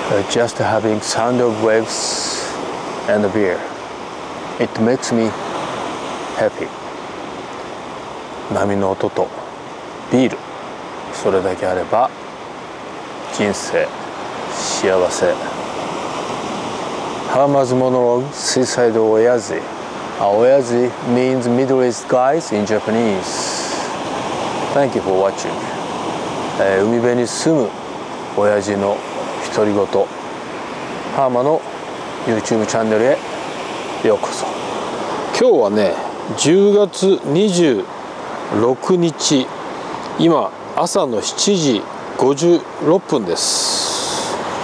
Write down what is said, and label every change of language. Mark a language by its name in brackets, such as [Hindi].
[English] just having sound of waves and a beer. It makes me happy. [Japanese] 波の音とビール、それだけあれば人生幸せ。 [English] Hamas monologue, Seaside Oyazi. Oyazi means Middle East guys in Japanese. Thank you for watching. [Japanese] 海辺に住む親父の独り言、ハーマの YouTube チャンネルへようこそ。今日はね、10月26日、今朝の7時56分です。